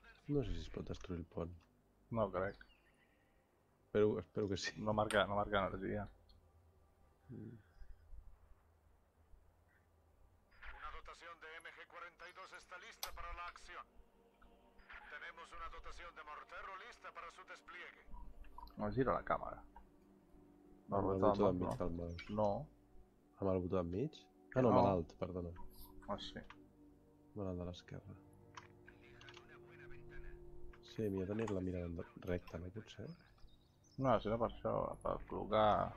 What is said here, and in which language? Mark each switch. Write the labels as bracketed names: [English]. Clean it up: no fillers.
[Catalan] No sé si es pot destruir el pont. No crec. Espero que sí. No marca energia. Una dotació de MG-42 està lista per a l'acció. [Spanish] Tenemos una dotación de mortero lista para su despliegue. No gira la cámara. [Catalan] No, amb el botó enmig del mouse. No. Amb el botó enmig? Ah, no, amb l'alt, perdona. Ah, sí. Amb l'alt de l'esquerra. Sí, millor tenir-la mirada recta, no potser? No, si no per això, per col·locar...